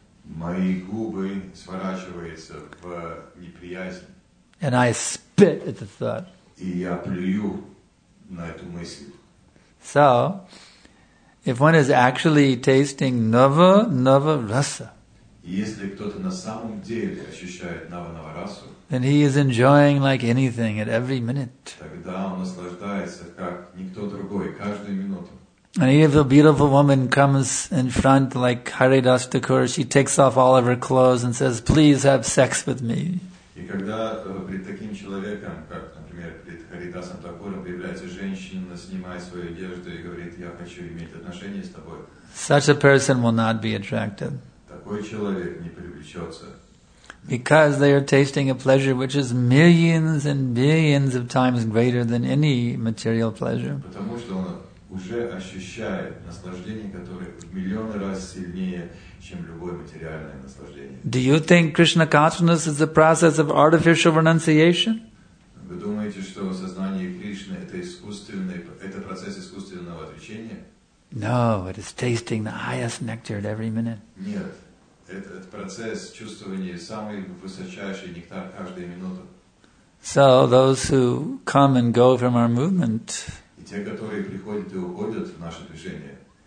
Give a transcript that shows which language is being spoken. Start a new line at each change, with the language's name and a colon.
Russian: Мои губы сворачиваются в неприязнь.
English: And I spit at the thought.
Russian: И я плюю на эту мысль.
English: So, if one is actually tasting nava nava rasa,
Russian: если кто-то на самом деле ощущает нава нава расу,
English: then he is enjoying like anything at every minute.
Russian: Тогда он наслаждается как никто другой каждую минуту.
English: And if a beautiful woman comes in front like Haridas Thakur, she takes off all of her clothes and says, "Please have sex with me."
Russian: И когда перед таким человеком, как, например, перед Харидасом Такуром, появляется женщина, снимает свою одежду и говорит, я хочу иметь отношения с тобой.
English: Such a person will not be attracted.
Russian: Такой человек не привлечется.
English: Because they are tasting a pleasure which is millions and billions of times greater than any material pleasure.
Russian: Потому что он уже ощущает наслаждение, которое в миллионы раз сильнее, чем любое материальное наслаждение.
English: Do you think Krishna consciousness is the process of artificial renunciation?
Russian: Вы думаете, что сознание Кришны это искусственный, это процесс искусственного отречения?
English: No, it is tasting the highest nectar at every minute.
Russian: Нет, этот процесс чувствования самый высочайший нектар каждую минуту.
English: So those who come and go from our movement,
Russian: и те, которые приходят и уходят в наше движение,